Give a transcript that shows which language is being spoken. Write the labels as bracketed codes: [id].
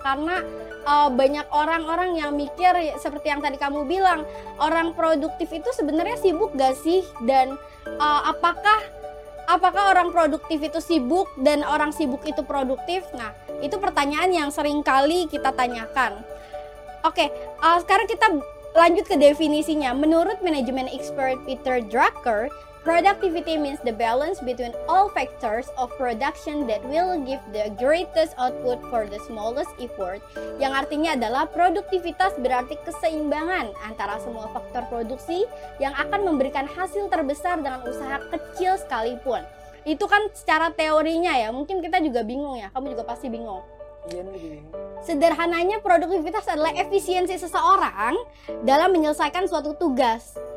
[id] Karena banyak orang-orang yang mikir seperti yang tadi kamu bilang, orang produktif itu sebenarnya sibuk gak sih? Dan apakah orang produktif itu sibuk dan orang sibuk itu produktif? Nah, itu pertanyaan yang sering kali kita tanyakan. Oke, sekarang kita lanjut ke definisinya. Menurut manajemen expert Peter Drucker, [en] productivity means the balance between all factors of production that will give the greatest output for the smallest effort. [id] Yang artinya adalah produktivitas berarti keseimbangan antara semua faktor produksi yang akan memberikan hasil terbesar dengan usaha kecil sekalipun. Itu kan secara teorinya ya, mungkin kita juga bingung ya, kamu juga pasti bingung. Sederhananya produktivitas adalah efisiensi seseorang dalam menyelesaikan suatu tugas.